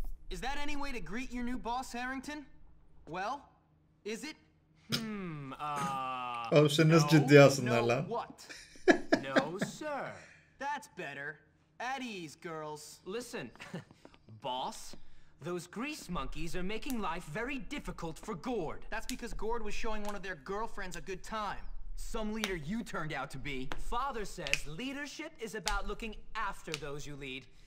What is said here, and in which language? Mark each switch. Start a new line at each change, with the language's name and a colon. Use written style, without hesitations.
English: Is that any way to greet your new boss, Harrington? Well, is it?
Turkish: Oğlum sen nasıl ciddiye alsınlar lan?
English: No, sir. That's better. At ease, girls. Listen, boss, those grease monkeys are making life very difficult for Gord. That's because Gord was showing one of their girlfriends a good time. Some leader you turned out to be. Father says leadership is about looking after those you lead.